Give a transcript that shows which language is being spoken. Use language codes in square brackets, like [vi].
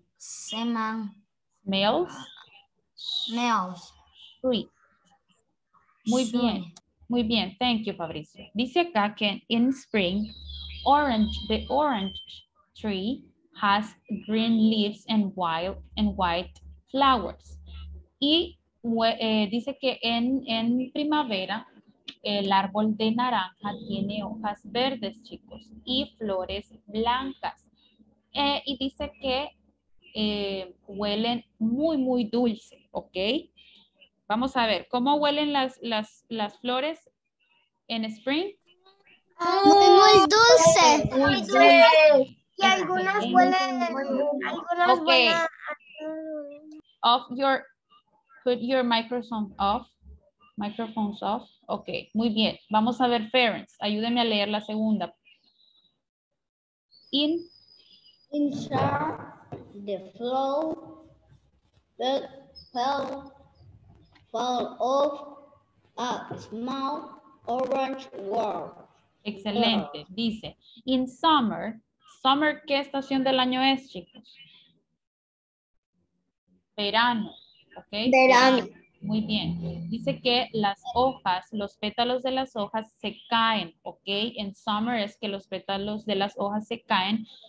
[en] smells sweet. [es] Bien, muy bien. [en] Thank you, [es] Fabricio. Dice acá que [en] in spring, the orange tree has green leaves and white flowers. [es] Y dice que en primavera el árbol de naranja tiene hojas verdes, chicos, y flores blancas. Y dice que huelen muy, muy dulce, ¿ok? Vamos a ver, ¿cómo huelen las flores en spring? Muy, muy dulce. Muy dulce. Y algunas huelen... Algunas huelen... [en] Okay. Off your... Put your microphone off. Microphones off. Ok, [es] muy bien. Vamos a ver, Ferenc, ayúdeme a leer la segunda. [en] In summer, the flowers fall off a small orange world. [es] Excelente. Dice, [en] in summer, [es] ¿qué estación del año es, chicos? verano, ¿ok? Verano. Muy bien. Dice que las hojas, los pétalos de las hojas se caen, ¿ok? En summer es que los pétalos de las hojas se caen.